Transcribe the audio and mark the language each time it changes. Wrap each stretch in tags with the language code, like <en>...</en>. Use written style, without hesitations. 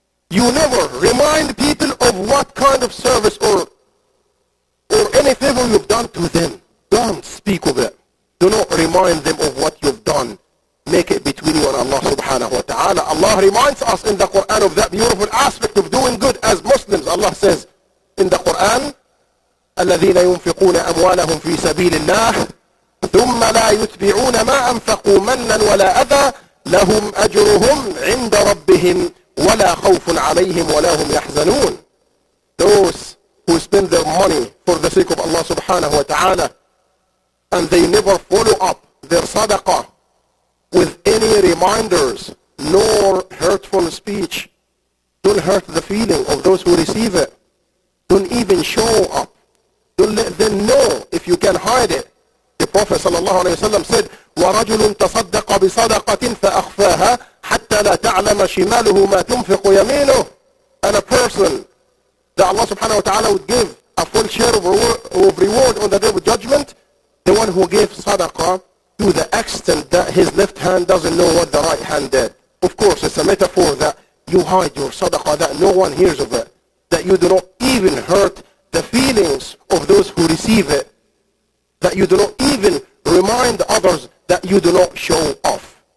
<en>You never remind people of what kind of service or any favor you've done to them. Don't speak of it. Do not remind them of what you've done. Make it between you and Allah subhanahu wa ta'ala. Allah reminds us in the Quran of that beautiful aspect of doing good as Muslims. Allah says in the Quran,</en> <ar>الَّذِينَ يُنفِقُونَ أَمْوَالَهُمْ فِي سَبِيلِ اللَّهِ ثُمَّ لَا يُتْبِعُونَ مَا أَنفَقُوا مَنًّا وَلَا أَذَى لهم أجرهم عند ربهم ولا خوف عليهم ولا هم يحزنون.</ar> <en>Those who spend their money for the sake of Allah subhanahu wa ta'ala and they never follow up their sadaqah with any reminders nor hurtful speech. Don't hurt the feeling of those who receive it. Don't even show up. Don't let them know if you can hide it. The Prophet sallallahu alayhi wa sallam said,</en> <ar>ورجل تصدق بصدقة فأخفاها حتى لا تعلم شماله ما تنفق يمينه.</ar> <en>And a person that Allah subhanahu wa ta'ala would give a full share of reward on the day of judgment, the one who gave sadaqa to the extent that his left hand doesn't know what the right hand did. Of course, it's a metaphor that you hide your sadaqa, that no one hears of it, that you do not even hurt the feelings of those who receive it, that you do not even remind others that you do not show off.</en>